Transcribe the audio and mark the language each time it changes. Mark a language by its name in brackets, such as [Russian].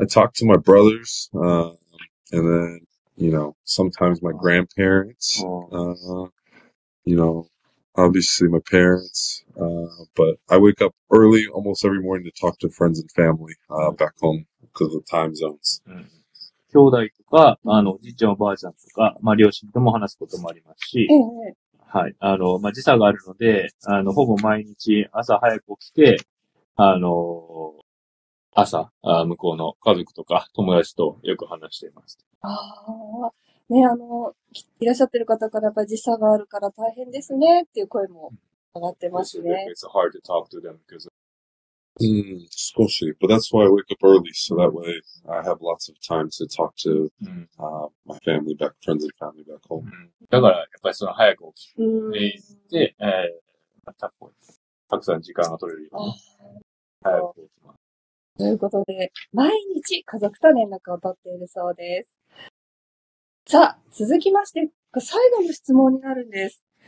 [English] I talk to my brothers, and then, you know, sometimes my grandparents, you know, obviously my parents, but I wake up early almost every morning to talk to friends and family, back home, because of time zones. [Japanese] 兄弟とか、おじいちゃんおばあちゃんとか、両親とも話すこともありますし、はい。時差があるので、ほぼ毎日朝早く起きて、朝、向こうの家族とか友達とよく話しています。ああ、ね、いらっしゃってる方からやっぱ時差があるから大変ですねっていう声も上がってますね。 [English] It's hard to talk to them because [Japanese] 少し。 [English] But that's why I wake up early, so that way I have lots of time to talk to, my family back, friends and family back home. [Japanese] だから、やっぱりその早く起きて、たくさん時間が取れるように、早く起きます。ということで、毎日家族と連絡を取っているそうです。さあ、続きまして、最後の質問になるんです。